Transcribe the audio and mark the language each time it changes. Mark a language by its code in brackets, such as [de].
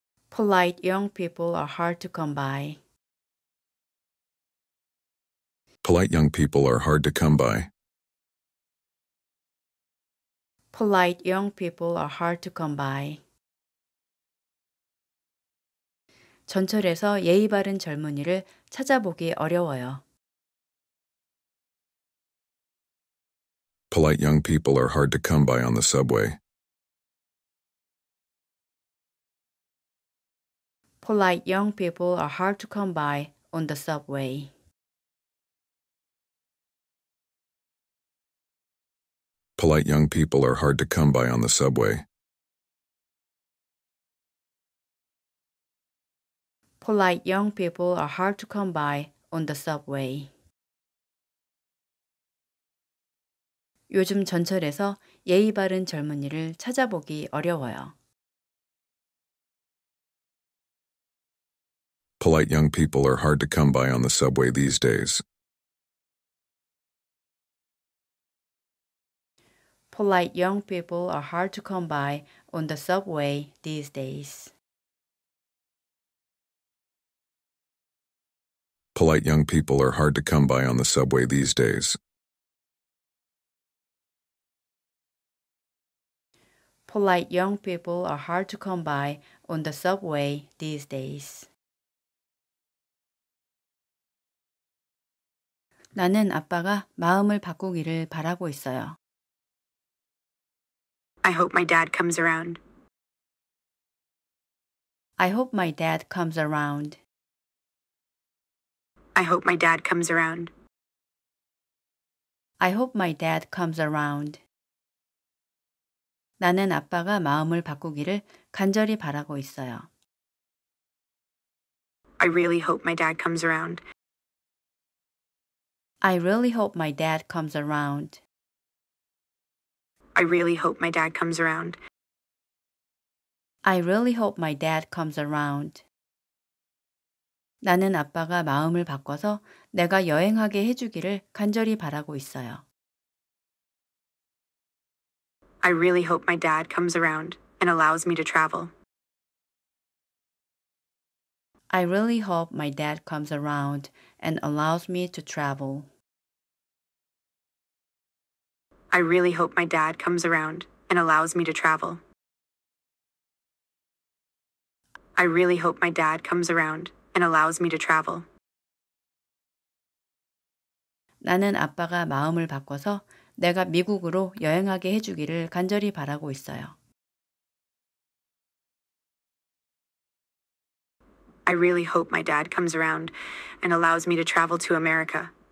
[en] Polite young people are hard to come by. Polite young people are hard to come by. Polite young people are hard to come by. [ko] 전철에서 예의 바른 젊은이를 찾아보기 어려워요. [en] Polite young people are hard to come by on the subway. Polite young people are hard to come by on the subway. Polite young people are hard to come by on the subway. Polite young people are hard to come by on the subway. [ko] 요즘 전철에서 예의 바른 젊은이를 찾아보기 어려워요. [en] Polite young people are hard to come by on the subway these days. Polite young people are hard to come by on the subway these days. Polite young people are hard to come by on the subway these days. Polite young people are hard to come by on the subway these days. [ko] 나는 아빠가 마음을 바꾸기를 바라고 있어요. [en] I hope my dad comes around. I hope my dad comes around. I hope my dad comes around. I hope my dad comes around. [ko] 나는 아빠가 마음을 바꾸기를 간절히 바라고 있어요. [en] I really hope my dad comes around. I really hope my dad comes around. I really hope my dad comes around. I really hope my dad comes around. [ko] 나는 아빠가 마음을 바꿔서 내가 여행하게 해주기를 간절히 바라고 있어요. [en] I really hope my dad comes around and allows me to travel. I really hope my dad comes around and allows me to travel. I really hope my dad comes around and allows me to travel. I really hope my dad comes around and allows me to travel. [ko] 나는 아빠가 마음을 바꿔서 내가 미국으로 여행하게 해주기를 간절히 바라고 있어요. [en] I really hope my dad comes around and allows me to travel to America.